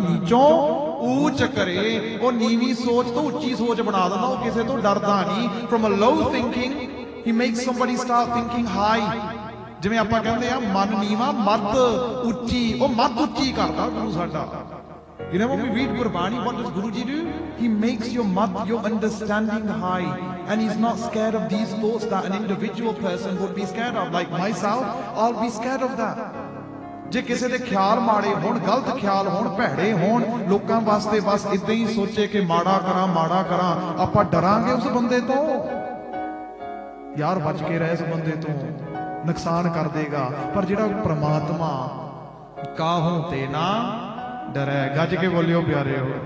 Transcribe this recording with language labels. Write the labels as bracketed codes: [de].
[pa] ਨੀਚੋਂ ਊਚ ਕਰੇ, ਉਹ ਨੀਵੀਂ ਸੋਚ ਤੋਂ ਉੱਚੀ ਸੋਚ ਬਣਾ ਦਿੰਦਾ, ਉਹ ਕਿਸੇ ਤੋਂ ਡਰਦਾ ਨਹੀਂ। [en] From a low thinking he makes somebody start thinking high. [pa] ਜਿਵੇਂ ਆਪਾਂ ਕਹਿੰਦੇ ਹਾਂ ਮਨ ਨੀਵਾਂ ਮਤ ਉੱਚੀ, ਉਹ ਮਤ ਉੱਚੀ ਕਰਦਾ ਗੁਰੂ ਸਾਡਾ। [en] You know, when we read Gurbani, what does Guruji do? He makes your mat, your understanding high. And he's not scared of these thoughts that an individual person would be scared of. Like myself, I'll be scared of that. [pa] ਜੇ ਕਿਸੇ ਦੇ ਖਿਆਲ ਮਾੜੇ ਹੋਣ, ਗਲਤ ਖਿਆਲ ਹੋਣ, ਭੈੜੇ ਹੋਣ, ਲੋਕਾਂ ਵਾਸਤੇ ਬਸ ਇੱਦਾਂ ਹੀ ਸੋਚੇ ਕਿ ਮਾੜਾ ਕਰਾਂ ਮਾੜਾ ਕਰਾਂ, ਆਪਾਂ ਡਰਾਂਗੇ ਉਸ ਬੰਦੇ ਤੋਂ? ਯਾਰ ਬਚ ਕੇ ਰਹਿ ਉਸ ਬੰਦੇ ਤੋਂ, ਨੁਕਸਾਨ ਕਰ ਦੇਗਾ। ਪਰ ਜਿਹੜਾ ਪ੍ਰਮਾਤਮਾ ਕਾਹੋਂ ਤੇ ਨਾ ਡਰੈ, ਗੱਜ ਕੇ ਬੋਲਿਓ ਪਿਆਰੇ।